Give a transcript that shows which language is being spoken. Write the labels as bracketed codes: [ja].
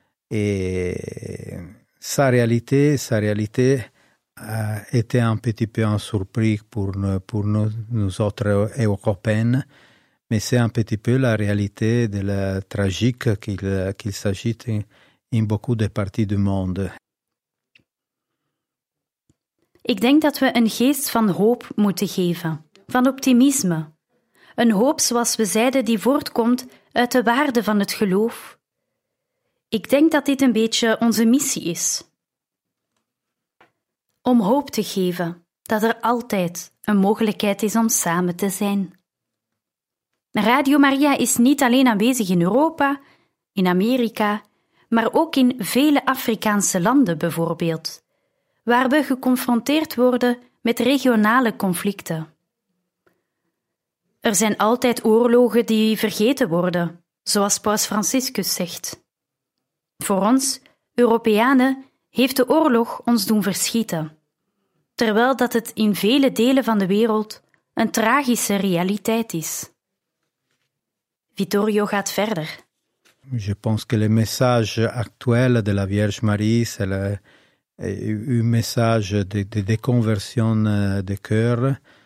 [fr] Et sa réalité a été un petit peu en surprise pour nous autres Européens. Mais c'est un petit peu la réalité de la tragique qu'il s'agit in beaucoup de parties du monde. [nl] Ik denk dat we een geest van hoop moeten geven, van optimisme. Een hoop, zoals we zeiden, die voortkomt uit de waarde van het geloof. Ik denk dat dit een beetje onze missie is. Om hoop te geven dat er altijd een mogelijkheid is om samen te zijn. Radio Maria is niet alleen aanwezig in Europa, in Amerika, maar ook in vele Afrikaanse landen bijvoorbeeld, waar we geconfronteerd worden met regionale conflicten. Er zijn altijd oorlogen die vergeten worden, zoals Paus Franciscus zegt. Voor ons, Europeanen, heeft de oorlog ons doen verschieten, terwijl dat het in vele delen van de wereld een tragische realiteit is. Vittorio gaat verder. [fr] Je pense que le message actuel de la Vierge Marie, c'est un message de conversion de cœur.